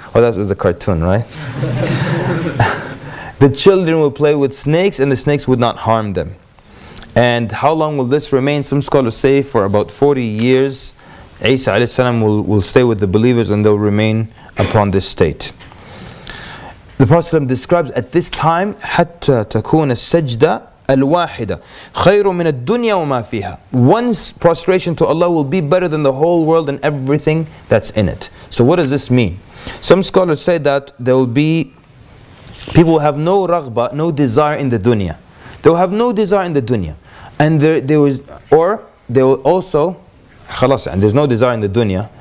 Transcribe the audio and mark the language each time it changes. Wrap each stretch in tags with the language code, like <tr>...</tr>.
<en>Oh, that was a cartoon, right? The children will play with snakes and the snakes would not harm them. And how long will this remain? Some scholars say for about 40 years, Isa alayhi salam will stay with the believers and they'll remain upon this state. The Prophet ﷺ describes at this time,</en> <ar>حَتَّى تَكُونَ السَّجْدَةَ الْوَاحِدَةَ خَيْرٌ مِنَ الدُّنْيَا وَمَا فِيهَا.</ar> <en>One's prostration to Allah will be better than the whole world and everything that's in it. So what does this mean? Some scholars say that there will be, people will have no raghba, no desire in the dunya. They will have no desire in the dunya. And they will also, خلاص, and there's no desire in the dunya.</en>